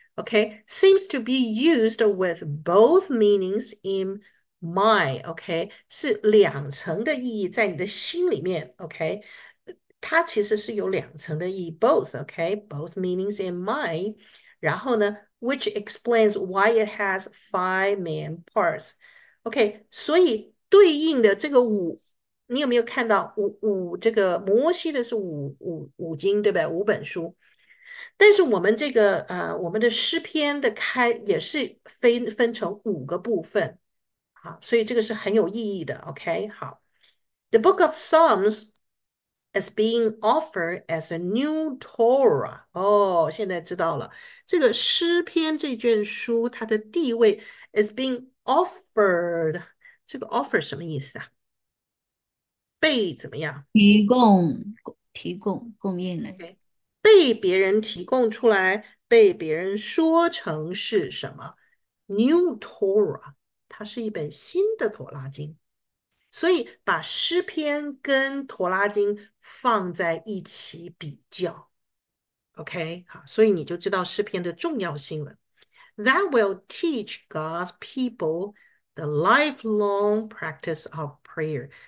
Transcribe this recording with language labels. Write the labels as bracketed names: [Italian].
[English] Okay, seems to be used with both meanings in mind. [Chinese] Okay, 是两层的意义在你的心里面。 Okay, 它其实是有两层的意义。 [English] Both. Okay, both meanings in mind. [Chinese] 然后呢？ [English] Which explains why it has five main parts. [Chinese] OK，所以对应的这个五，你有没有看到五？这个摩西的是五经，对不对？五本书。但是我们这个我们的诗篇的开也是分成五个部分，好，所以这个是很有意义的。 [English] OK，好，The Book of Psalms is being offered as a new Torah. [Chinese] 哦，现在知道了，这个诗篇这卷书它的地位 [English] is being offered。 [Chinese] 这个 offer 什么意思啊？被怎么样提供供应嘞。被别人提供出来，被别人说成是什么？New Torah，它是一本新的妥拉经。所以把诗篇跟妥拉经放在一起比较。 OK，好，所以你就知道诗篇的重要性了。 [English] That will teach God's people the lifelong practice of prayer。